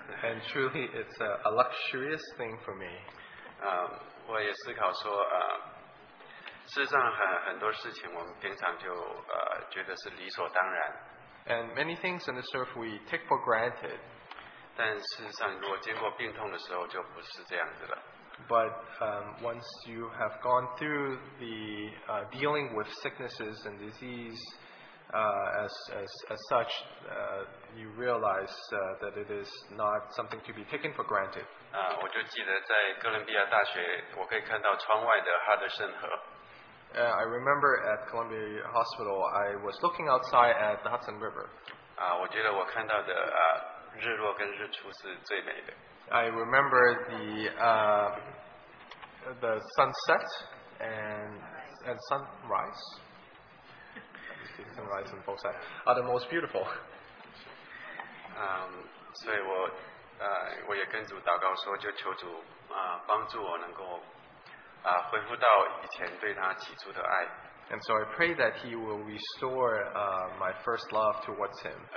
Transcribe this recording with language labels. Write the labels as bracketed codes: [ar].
[en] And truly, it's a luxurious thing for me. [zh] 我也思考说事实上很多事情我们平常就觉得是理所当然。 [en] And many things in this earth we take for granted. [zh] 但事实上如果经过病痛的时候就不是这样子了。 [en] But once you have gone through the dealing with sicknesses and disease as such, you realize that it is not something to be taken for granted. [zh] 我就记得在哥伦比亚大学，我可以看到窗外的哈德逊河。 [en] I remember at Columbia Hospital, I was looking outside at the Hudson River. [zh] 我觉得我看到的, 日落跟日出是最美的。 [en] I remember the sunset and sunrise. Sunrise and sunset are the most beautiful. [zh] 所以我也跟主祷告说，就求主帮助我能够恢复到以前对他起初的爱。 [en] And so I pray that he will restore my first love towards him.